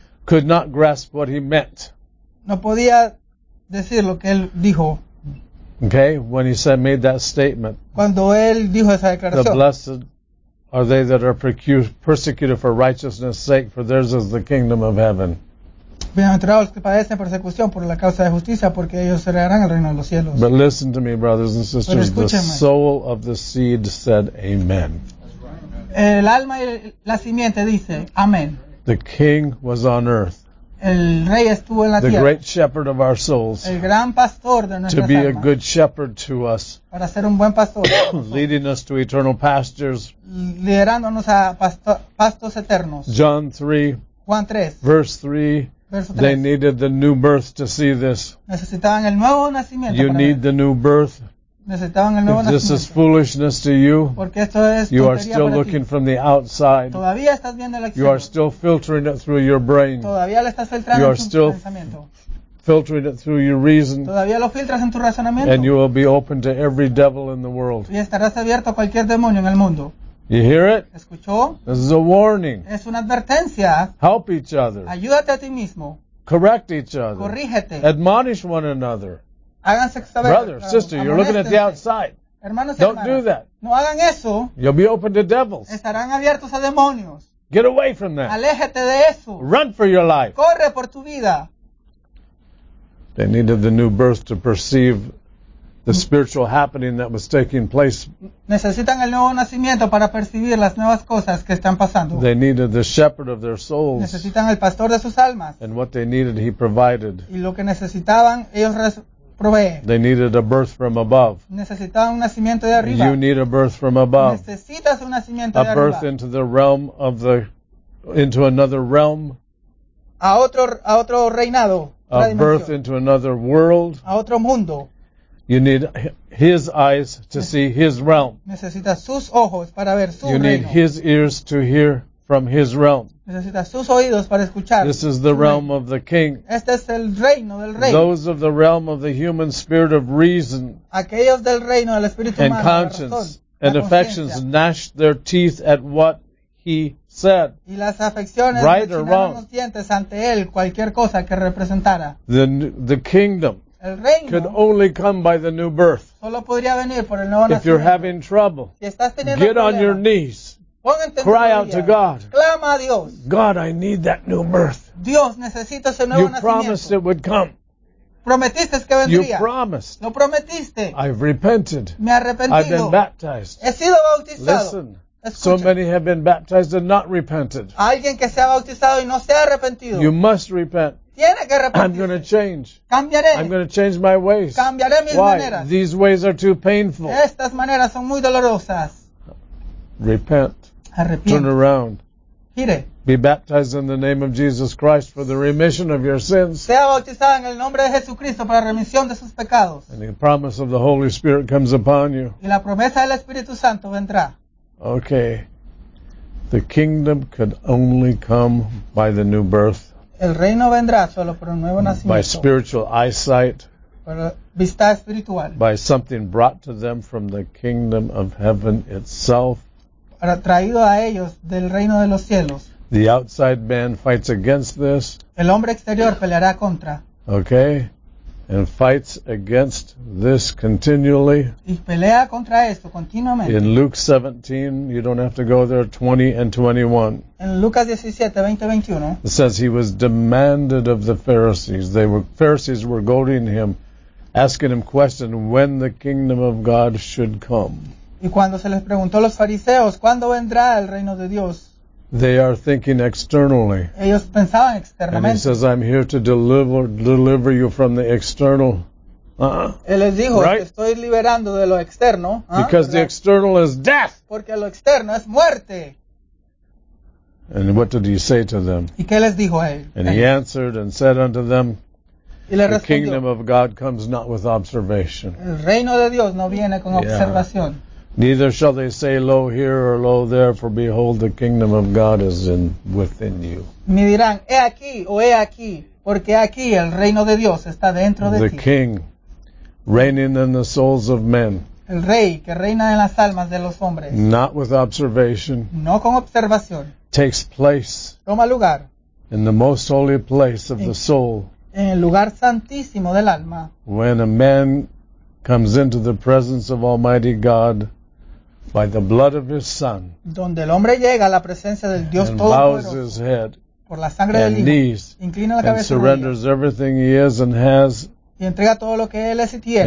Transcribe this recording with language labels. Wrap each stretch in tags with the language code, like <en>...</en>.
<en>Could not grasp what he meant.</en> <es>No podía decir lo que él dijo.</es> <en>Okay, when he said, made that statement.</en> <es>Cuando él dijo esa declaración.</es> <en>The blessed are they that are persecuted for righteousness' sake, for theirs is the kingdom of heaven.</en> <es>Bienaventurados los que padecen persecución por la causa de justicia, porque ellos heredarán el reino de los cielos.</es> <en>But listen to me, brothers and sisters. The soul of the seed said, "Amen."</en> <es>El alma y la simiente dice, "Amén."</es> <en>The king was on earth.</en> <es>El rey estuvo en la</es> <en>the</en> <es>tierra.</es> <en>The great shepherd of our souls.</en> <es>El gran pastor de nuestras</es> <en>to be</en> <es>almas,</es> <en>a good shepherd to us.</en> <es>Para ser un buen pastor.</es> <en>Leading us to eternal pastures.</en> <es>Liderándonos a pastos eternos.</es> <en>John 3.</en> <es>Juan 3.</es> <en>Verse 3. They needed the new birth to see this.</en> <es>Necesitaban el nuevo nacimiento.</es> <en>You need the new birth.</en> <es>Necesitaban el nuevo</es> <en>this</en> <es>nacimiento.</es> <en>Is foolishness to you.</en> <es>Porque esto es</es> <en>you are still looking</en> <es>ti.</es> <en>From the outside.</en> <es>Todavía estás viendo el</es> <en>you are still filtering it through your brain.</en> <es>Todavía lo estás filtrando</es> <en>you are still filtering it through your reason.</en> <es>Todavía lo filtras en tu razonamiento.</es> <en>And you will be open to every devil in the world.</en> <es>Y estarás abierto a cualquier demonio en el mundo.</es> <en>You hear it?</en> <es>¿Escuchó?</es> <en>This is a warning.</en> <es>Es una advertencia.</es> <en>Help each other.</en> <es>Ayúdate a ti mismo.</es> <en>Correct each other.</en> <es>Corrígete.</es> <en>Admonish one another.</en> <es>Háganse saber.</es> <en>Brother, sister,</en> <es>amonéstense.</es> <en>You're looking at the outside.</en> <es>Hermanos</es> <en>don't</en> <es>hermanas,</es> <en>do that.</en> <es>No hagan eso.</es> <en>You'll be open to devils.</en> <es>Estarán abiertos a demonios.</es> <en>Get away from that.</en> <es>Aléjate de eso.</es> <en>Run for your life.</en> <es>Corre por tu vida.</es> <en>They needed the new birth to perceive the spiritual happening that was taking place.</en> <es>Necesitan el nuevo nacimiento para percibir las nuevas cosas que están pasando.</es> <en>They needed the shepherd of their souls.</en> <es>Necesitan el pastor de sus almas.</es> <en>And what they needed, he provided.</en> <es>Y lo que necesitaban, ellos proveen.</es> <en>They needed a birth from above.</en> <es>Necesitaban un nacimiento de arriba.</es> <en>You need a birth from above.</en> <es>Necesitas un nacimiento</es> <en>a</en> <es>de arriba.</es> <en>A birth into the realm of the, into another realm.</en> <es>A otro reinado.</es> <en>A birth into another world.</en> <es>A otro mundo.</es> <en>You need his eyes to see his realm.</en> <es>Necesitas sus ojos para ver su</es> <en>you</en> <es>reino.</es> <en>Need his ears to hear from his realm.</en> <es>Necesitas sus oídos para escuchar.</es> <en>This is the realm of the king.</en> <es>Este es el reino del rey.</es> <en>Those of the realm of the human spirit of reason.</en> <es>Aquellos del reino del espíritu</es> <en>and</en> <es>humano,</es> <en>conscience</en> <es>la razón,</es> <en>and</en> <es>la</es> <en>affections gnash their teeth at what he said.</en> <es>Y las afecciones</es> <en>right</en> <es>rechinaron</es> <en>or wrong.</en> <es>Los dientes ante él cualquier cosa que representara.</es> <en>The kingdom.</en> <es>El reino</es> <en>could only come by the new birth.</en> <es>Solo podría venir por el nuevo nacimiento.</es> <en>If you're having trouble,</en> <es>si estás teniendo</es> <en>get on your knees. Cry out to God.</en> <es>Clama a Dios.</es> <en>God, I need that new birth.</en> <es>Dios, necesito ese nuevo</es> <en>you</en> <es>nacimiento.</es> <en>Promised it would come.</en> <es>Prometiste que vendría.</es> <en>You promised.</en> <es>Lo prometiste.</es> <en>I've repented.</en> <es>Me he arrepentido.</es> <en>I've been baptized.</en> <es>He sido bautizado.</es> <en>Listen.</en> <es>Escucha.</es> <en>So many have been baptized and not repented.</en> <es>Alguien que se ha bautizado y no se ha arrepentido.</es> <en>You must repent. I'm going to change.</en> <es>Cambiaré.</es> <en>I'm going to change my ways.</en> <es>Cambiaré mis</es> <en>Why?</en> <es>Maneras.</es> <en>These ways are too painful.</en> <es>Estas maneras son muy dolorosas.</es> <en>Repent.</en> <es>Arrepiento.</es> <en>Turn around.</en> <es>Gire.</es> <en>Be baptized in the name of Jesus Christ for the remission of your sins.</en> <es>Sea bautizado en el nombre de Jesucristo para remisión de sus pecados.</es> <en>And the promise of the Holy Spirit comes upon you.</en> <es>Y la promesa del Espíritu Santo vendrá.</es> <en>Okay. The kingdom could only come by the new birth.</en> <es>El reino vendrá solo por un nuevo nacimiento.</es> <en>By spiritual eyesight.</en> <es>Por vista espiritual.</es> <en>By something brought to them from the kingdom of heaven itself.</en> <es>Traído a ellos del reino de los cielos.</es> <en>The outside man fights against this.</en> <es>El hombre exterior peleará contra.</es> <en>Okay. And fights against this continually.</en> <es>Y pelea contra esto continuamente.</es> <en>In Luke 17, you don't have to go there, 20 and 21.</en> <es>En Lucas 17:20-21.</es> <en>It says he was demanded of the Pharisees. Pharisees were goading him, asking him questions when the kingdom of God should come.</en> <es>Y cuando se les preguntó a los fariseos, ¿cuándo vendrá el reino de Dios?</es> <en>They are thinking externally.</en> <es>Ellos pensaban externamente.</es> <en>And he says, I'm here to deliver you from the external.</en> <es>Él les dijo,</es> <en>right?</en> <es>Estoy liberando de lo externo.</es> <en>Because the external is death.</en> <es>Porque lo externo es muerte.</es> <en>And what did he say to them?</en> <es>¿Y qué les dijo él?</es> <en>And he answered and said unto them,</en> <es>y le respondió,</es> <en>the kingdom of God comes not with observation.</en> <es>El reino de Dios no viene con observación.</es> <en>Neither shall they say, lo here or lo there, for behold, the kingdom of God is within you.</en> <es>Ni dirán, he aquí o he aquí, porque aquí el reino de Dios está dentro de ti.</es> <en>The king, reigning in the souls of men.</en> <es>El rey que reina en las almas de los hombres.</es> <en>Not with observation.</en> <es>No con observación.</es> <en>Takes place.</en> <es>Toma lugar.</es> <en>In the most holy place of the soul.</en> <es>En el lugar santísimo del alma.</es> <en>When a man comes into the presence of Almighty God by the blood of His Son.</en> <es>Donde el hombre llega a la presencia del Dios Todopoderoso.</es> <en>And bows his head.</en> <es>Por la sangre del Hijo.</es> <en>Knees.</en> <es>Inclina la cabeza.</es> <en>And surrenders everything he is and has.</en> <es>Y entrega todo lo que él es y tiene.</es>